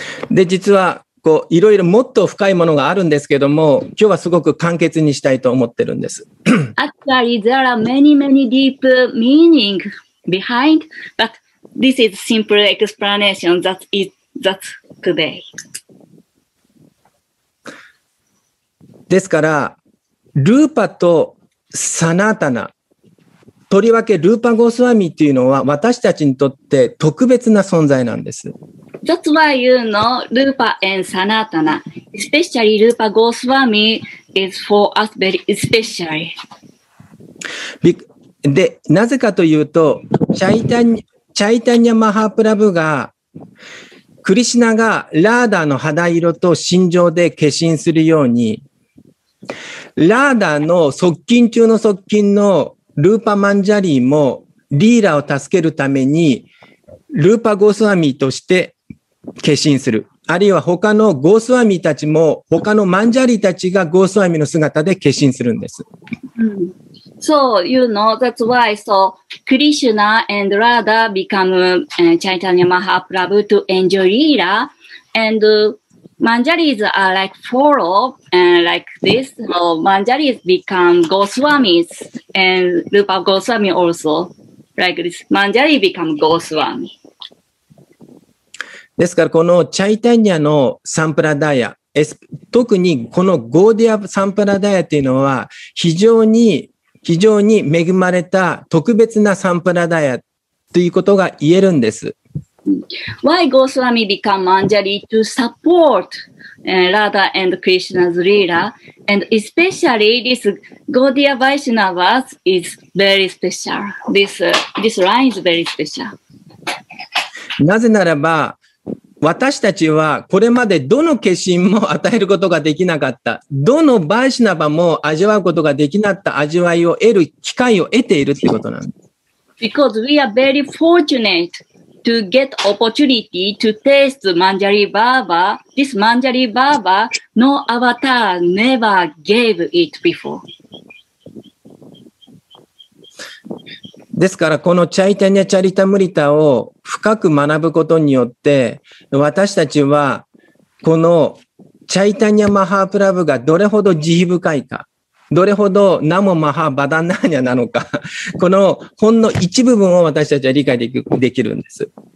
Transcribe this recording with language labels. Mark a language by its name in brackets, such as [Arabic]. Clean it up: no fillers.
[Japanese] で実はこういろいろもっと深いものがあるんですけども、今日はすごく簡潔にしたいと思ってるんです。 [English] Actually, there are many, many deep meaning behind, but this is simple explanation that's today. [Japanese] ですから、ルーパとサナータナ、とりわけルーパゴスワミというのは私たちにとって特別な存在なんです。 [English] That's why you know Rupa and Sanatana, especially Rupa Goswami is for us very especially. [Japanese] で、なぜかというと、チャイタニアマハプラブが、クリシナがラーダの肌色と心情で化身するように、ラーダの側近中の側近のルーパマンジャリーもリーラを助けるために、ルーパゴスワミとして化身する。あるいは他のゴースワミたちも、他のマンジャリーたちがゴースワミの姿で化身するんです。 [English] So, you know, that's why, so, Krishna and Radha become Chaitanya Mahaprabhu to enjoy Leela. And Manjaris are like follow, like this. So Manjaris become Goswamis and Rupa Goswami also. Like this, Manjari become Goswami. [Japanese] ですからこのチャイタニアのサンプラダイア、特にこのゴーディアサンプラダイアというのは非常に非常に恵まれた特別なサンプラダイアということが言えるんです。 [English] Why Goswami become Manjari to support Radha and Krishna's Leela, and especially this Gaudiya Vaishnavas is very special. This line is very special. [Japanese] なぜならば私たちはこれまでどの化身も与えることができなかった、どのバイシナバも味わうことができなかった味わいを得る機会を得ているってことなんです。 [English] Because we are very fortunate to get opportunity to taste Manjari Baba. This Manjari Baba, no avatar never gave it before. [Japanese] ですからこのチャイタニア・チャリタムリタを深く学ぶことによって私たちはこのチャイタニア・マハープラブがどれほど慈悲深いか、どれほどナモ・マハ・バダナーニャなのか、このほんの一部分を私たちは理解できるんです。